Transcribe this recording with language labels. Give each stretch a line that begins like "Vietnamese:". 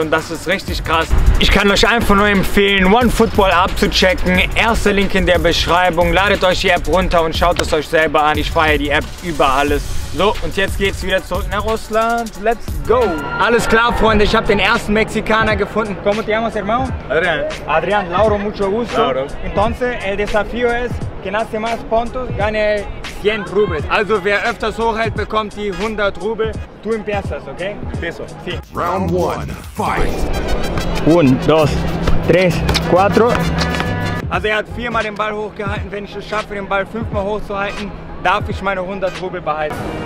German: Und das ist richtig krass. Ich kann euch einfach nur empfehlen, OneFootball abzuchecken. Erster Link in der Beschreibung. Ladet euch die App runter und schaut es euch selber an. Ich feiere die App über alles. So, und jetzt geht's wieder zurück nach Russland.
English: Let's go!
German: Alles klar, Freunde, ich habe den ersten Mexikaner gefunden.
Spanish: ¿Cómo te llamas, hermano? Adrián. Adrián, Lauro, mucho gusto. Lauro. Entonces, el desafío es, quien hace más puntos, gane 100 rubles.
German: Also, wer öfters hochhält, bekommt die 100 Rubel.
Spanish: Du empiezas, okay? Empiezo. Sí.
English: Round 1, fight! 1, 2, 3, 4.
German: Also, er hat viermal den Ball hochgehalten. Wenn ich es schaffe, den Ball fünfmal hochzuhalten, darf ich meine 100 Rubel behalten?